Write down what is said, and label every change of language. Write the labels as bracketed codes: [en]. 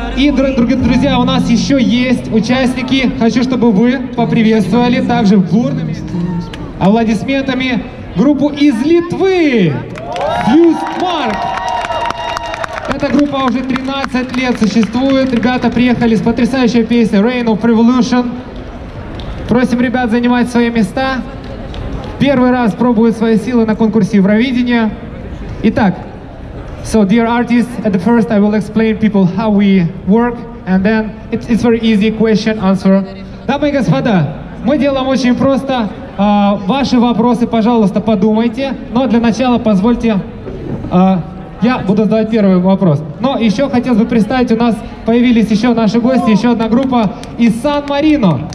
[ru] И, дорогие друзья, у нас еще есть участники. Хочу, чтобы вы поприветствовали также бурными аплодисментами группу из Литвы. Юстмарк. Эта группа уже 13 лет существует. Ребята приехали с потрясающей песней «Reign of Revolution». Просим ребят занимать свои места. Первый раз пробуют свои силы на конкурсе Евровидения. Итак, [en] so dear artists, at the first I will explain people how we work, and then it's very easy question answer. [ru] Дамы и господа, мы делаем очень просто. Ваши вопросы, пожалуйста, подумайте. Но для начала позвольте, я буду задавать первый вопрос. Но еще хотелось бы представить, у нас появились еще наши гости, еще одна группа из Сан-Марино.